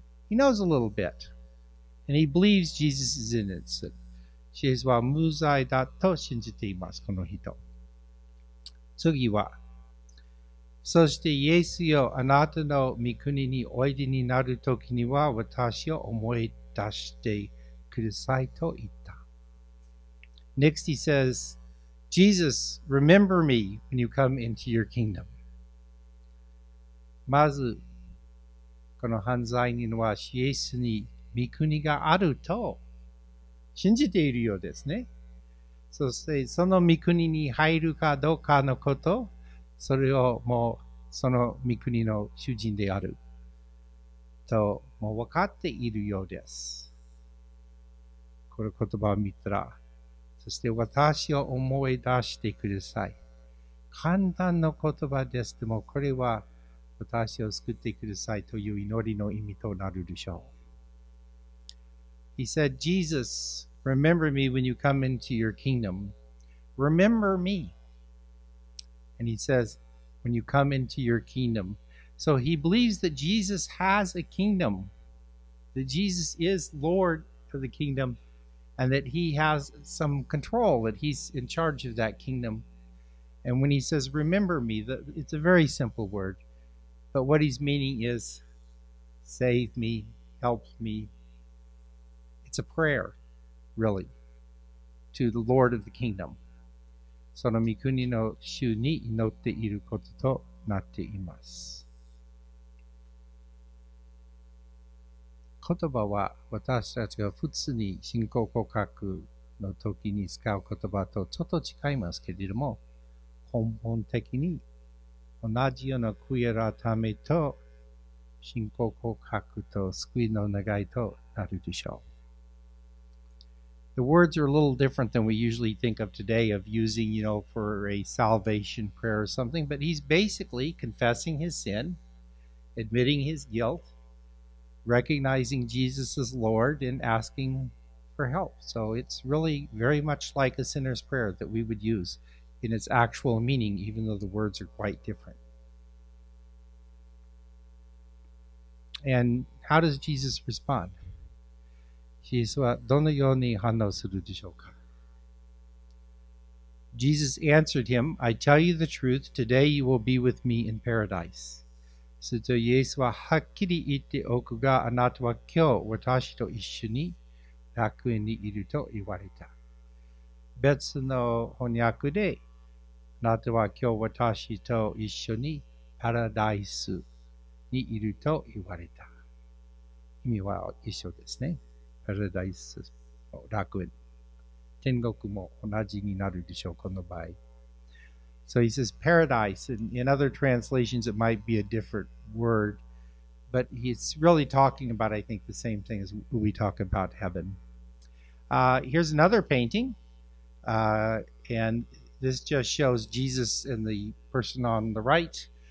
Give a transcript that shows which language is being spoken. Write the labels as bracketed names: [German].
[English] He knows a little bit, and he believes Jesus is innocent. [Japanese] シエスは無罪だと信じています、この人。次は、そしてイエスよ、あなたの御国においでになるときには私を思い出してくださいと言った。 [English] Next he says, Jesus, remember me when you come into your kingdom. [Japanese] まず、この犯罪人はイエスに御国があると信じているようですね。そしてその御国に入るかどうかのこと、それをもうその御国の主人であるともう分かっているようです。この言葉を見たら、そして私を思い出してください、簡単な言葉です。でもこれは私を救ってくださいという祈りの意味となるでしょう。 [English] He said, Jesus, remember me when you come into your kingdom. Remember me. And he says, when you come into your kingdom. So he believes that Jesus has a kingdom, that Jesus is Lord of the kingdom, and that he has some control, that he's in charge of that kingdom. And when he says, remember me, it's a very simple word. But what he's meaning is, save me, help me. It's a prayer, really, to the Lord of the kingdom. [Japanese] その御国の主に祈っていることとなっています。言葉は私たちが普通に信仰告白の時に使う言葉とちょっと違いますけれども、根本的に同じような悔い改めと信仰告白と救いの願いとなるでしょう。 [English] The words are a little different than we usually think of today of using, you know, for a salvation prayer or something, but he's basically confessing his sin, admitting his guilt, recognizing Jesus as Lord, and asking for help. So it's really very much like a sinner's prayer that we would use in its actual meaning, even though the words are quite different. And how does Jesus respond? [Japanese] Jesus はどのように反応するでしょうか? [English] Jesus answered him, I tell you the truth, today you will be with me in paradise. [Japanese] するとイエスははっきり言っておくが、あなたは今日私と一緒に楽園にいると言われた。別の翻訳で、あなたは今日私と一緒にパラダイスにいると言われた。意味は一緒ですね。パラダイス、楽園。天国も同じになるでしょう、この場合。 [English] So he says paradise, and in other translations it might be a different word, but he's really talking about, I think, the same thing as we talk about heaven. Here's another painting, and this just shows Jesus and the person on the right,